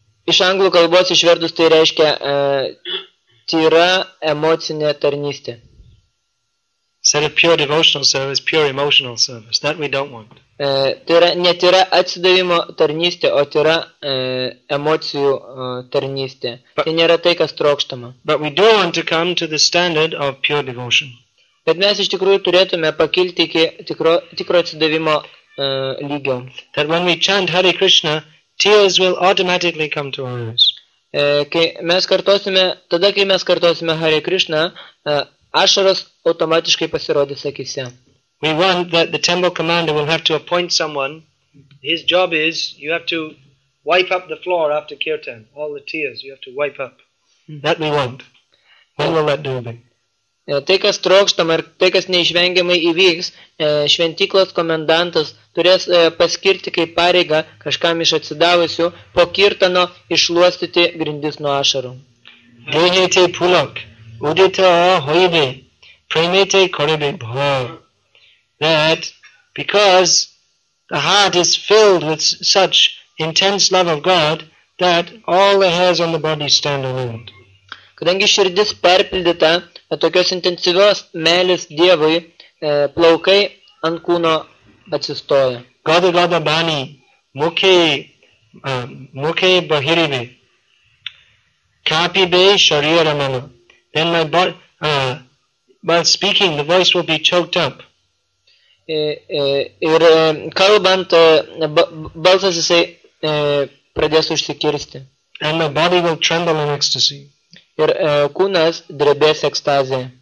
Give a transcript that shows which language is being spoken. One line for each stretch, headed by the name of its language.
Lithuanian: Iš anglų kalbos išverdus tai reiškia tyra emocinė tarnystė.
English: Instead of pure devotional service, pure emotional service. That we don't want.
Lithuanian: Tai yra netyra atsidavimo tarnystė, o tyra emocijų tarnystė.
English: But,
Lithuanian: tai nėra tai, kas trokštama.
English: But we do want to come to the standard of pure devotion.
Lithuanian: Bet mes iš tikrųjų turėtume pakilti iki tikro atsidavimo lygio.
English: That when we chant Hare Krishna, tears will automatically come to our eyes.
Lithuanian: Kai mes kartosime, tada kai mes kartosime Hare Krishna, ašaros automatiškai pasirodys akise.
English: We want that the temple commander will have to appoint someone. His job is you have to wipe up the floor after kirtan. All the tears you have to wipe up. That we want. When will that do be?
Lithuanian: Tai, kas trokštama ir tai, kas neišvengiamai įvyks, šventyklos komendantas turės paskirti kaip pareigą kažkam iš atsidavusių po kirtano išluostyti grindis nuo ašarų.
Bangla: Dehete pulak, udita hoide, premete korebe bha.
English: That because the heart is filled with such intense love of God that all the hairs on the body stand on end.
Lithuanian: Kadangi širdis perpildyta tokios intensyvios meilės Dievui, plaukai ant kūno atsistoja.
Bangla: Gada gada bani, mukhe bahirive, kapi be sharira mano.
English: Then my while speaking, the voice will be choked up.
Lithuanian: Ir kalbant, balsas jisai pradės užsikirsti.
English: And my body will tremble in ecstasy.
Lithuanian: Ir kūnas drebės ekstazė.